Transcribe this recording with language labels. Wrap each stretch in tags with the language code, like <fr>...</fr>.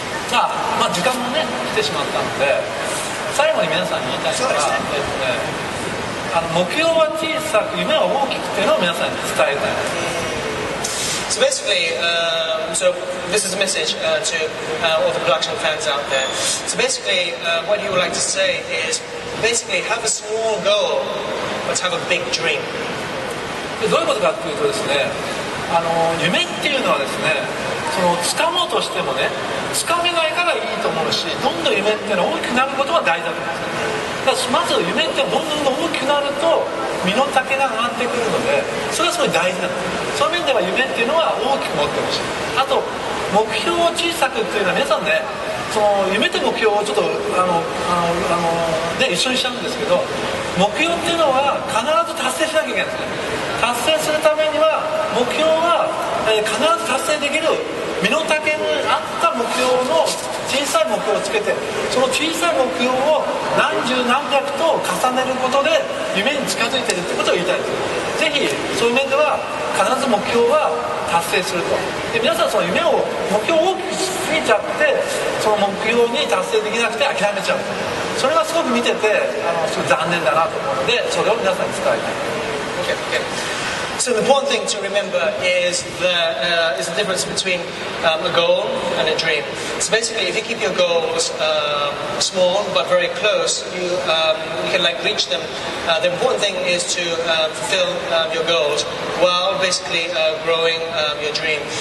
<en>So basically, so this is a message to all the production fans out there. So basically, what you would like to say is basically have a small goal, but have a big dream.</en> <ja>どういうことかというとですね、夢っていうのはですね、その掴もうとしてもね、掴めないからいいと思うし、どんどん夢っていうのは大きくなることが大事だと思うんですね。だからまず夢ってどんどん大きくなると身の丈が上がってくるので、それはすごい大事なんです。その面では夢っていうのは大きく持ってほしい。あと目標を小さくっていうのは、皆さんね、その夢と目標をちょっと一緒にしちゃうんですけど、目標っていうのは必ず達成しなきゃいけないんですね。達成するためには目標は必ず達成できる身の丈に合った目標の小さい目標をつけて、その小さい目標を何十何百と重ねることで夢に近づいているってことを言いたいです。ぜひそういう面では必ず目標は達成すると。で皆さんその夢を目標を大きくしすぎちゃって、その目標に達成できなくて諦めちゃう、それがすごく見ててすごい残念だなと思うので、それを皆さんに伝えたい。 OKOK。</ja> <en>So the important thing to remember is the difference between a goal and a dream. So basically, if you keep your goals small but very close, you can like reach them. The important thing is to fulfill your goals while basically growing your dream.</en>